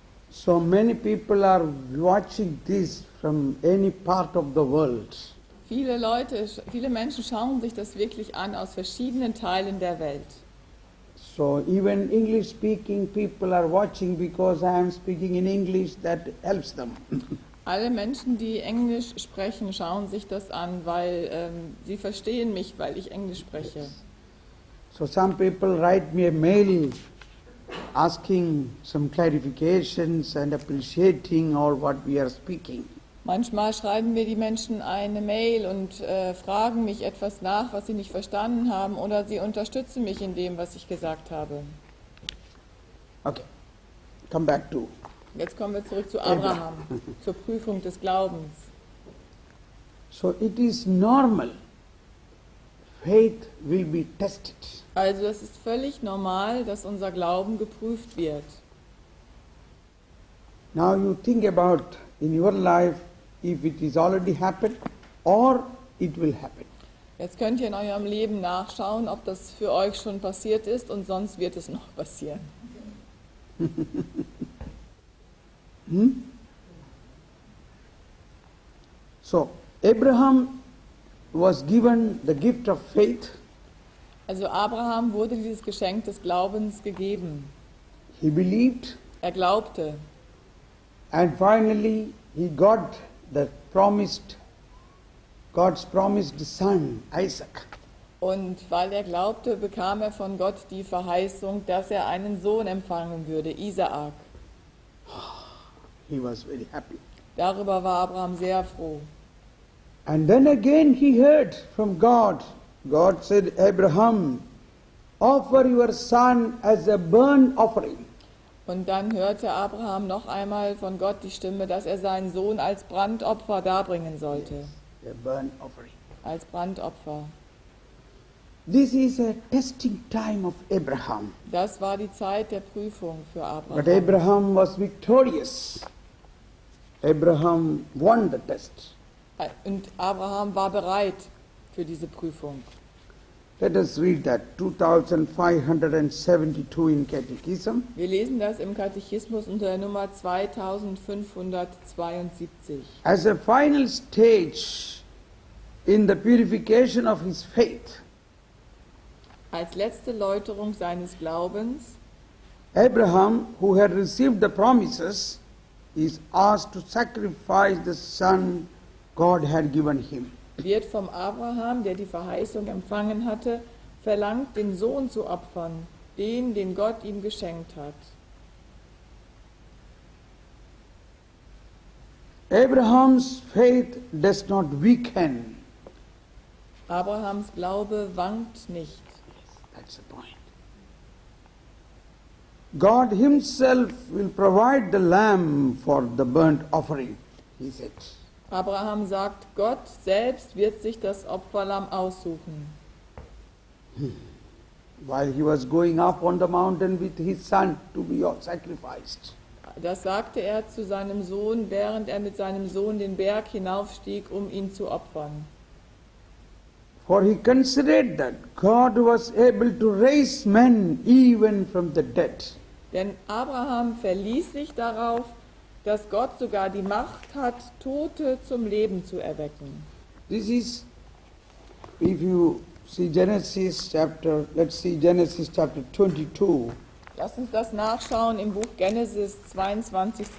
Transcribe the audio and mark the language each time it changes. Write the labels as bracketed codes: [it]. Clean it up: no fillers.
[en] So many people are watching this from any part of the world. [de] Viele Menschen schauen sich das wirklich an aus verschiedenen Teilen der Welt. [en] So even English speaking people are watching because I am speaking in English, that helps them. [de] Alle Menschen, die Englisch sprechen, schauen sich das an, weil sie verstehen mich, weil ich Englisch spreche. [en] Yes. So some people write me a mail asking some clarifications and appreciating all what we are speaking. [de] Manchmal schreiben mir die Menschen eine Mail und fragen mich etwas nach, was sie nicht verstanden haben, oder sie unterstützen mich in dem, was ich gesagt habe. [en] Okay, come back to. [de] Jetzt kommen wir zurück zu Abraham, zur Prüfung des Glaubens. [en] So it is normal. Faith will be tested. [de] Also es ist völlig normal, dass unser Glauben geprüft wird. [en] Now you think about in your life. If it is already happened or it will happen. [de] Jetzt könnt ihr in eurem Leben nachschauen, ob das für euch schon passiert ist und sonst wird es noch passieren. [en] So, Abraham was given the gift of faith. [de] Also Abraham wurde dieses Geschenk des Glaubens gegeben. [en] He believed. [de] Er glaubte. [en] And finally he got God's promised son, Isaac. [de] Und weil er glaubte, bekam er von Gott die Verheißung, dass er einen Sohn empfangen würde, Isaak. [en] He was very happy. [de] Darüber war Abraham sehr froh. [en] And then again he heard from God. God said, Abraham, offer your son as a burnt offering. [de] Und dann hörte Abraham noch einmal von Gott die Stimme, dass er seinen Sohn als Brandopfer darbringen sollte. [en] Yes, a burnt offering. [de] Als Brandopfer. [en] This is a testing time of Abraham. [de] Das war die Zeit der Prüfung für Abraham. [en] But Abraham was victorious. Abraham won the test. [de] Und Abraham war bereit für diese Prüfung. [en] Let us read that, 2572 in Catechism. [de] Wir lesen das im Katechismus unter der Nummer 2572. [en] As a final stage in the purification of his faith. [de] Als letzte Läuterung seines Glaubens. [en] Abraham, who had received the promises, is asked to sacrifice the son God had given him. [de] Wird vom Abraham, der die Verheißung empfangen hatte, verlangt, den Sohn zu opfern, den Gott ihm geschenkt hat. [en] Abraham's faith does not weaken. [de] Abrahams Glaube wankt nicht. [en] That's the point. God himself will provide the lamb for the burnt offering, he said. [de] Abraham sagt, Gott selbst wird sich das Opferlamm aussuchen. [en] While he was going up on the mountain with his son to be sacrificed. [de] Das sagte er zu seinem Sohn, während er mit seinem Sohn den Berg hinaufstieg, um ihn zu opfern. [en] For he considered that God was able to raise men even from the dead. [de] Denn Abraham verließ sich darauf, dass Gott sogar die Macht hat, Tote zum Leben zu erwecken. [en] This is, if you see Genesis chapter, let's see Genesis chapter 22. [de] Lass uns das nachschauen im Buch Genesis 22.